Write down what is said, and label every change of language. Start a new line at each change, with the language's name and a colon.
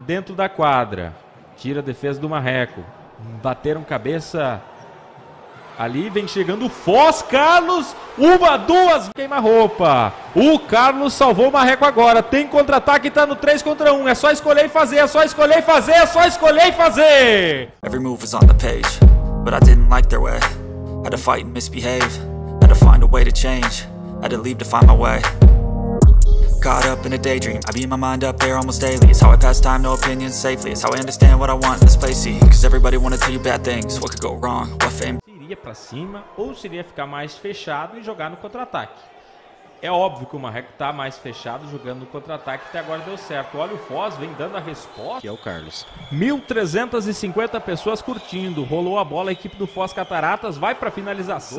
Portuguese: Dentro da quadra, tira a defesa do Marreco, bateram cabeça ali, vem chegando o Foz, Carlos, uma, duas, queima-roupa! O Carlos salvou o Marreco agora, tem contra-ataque, tá no 3 contra 1, é só escolher e fazer, é só escolher e fazer, é só escolher e fazer!
English: Every move is on the page, but I didn't like their way, had to fight and misbehave. Had to find a way to change, had to leave to find my way. Caught up in a daydream, I beat my mind up there almost daily. It's how I pass time, no opinions safely. It's how I understand what I want in this place. Cause everybody wanna tell you bad things. What could go wrong? What fame?
Portuguese: Seria pra cima ou seria ficar mais fechado e jogar no contra-ataque? É óbvio que o Marreco tá mais fechado jogando no contra-ataque, até agora deu certo. Olha o Foz, vem dando a resposta. Que é o Carlos. 1.350 pessoas curtindo. Rolou a bola, a equipe do Foz Cataratas vai pra finalização.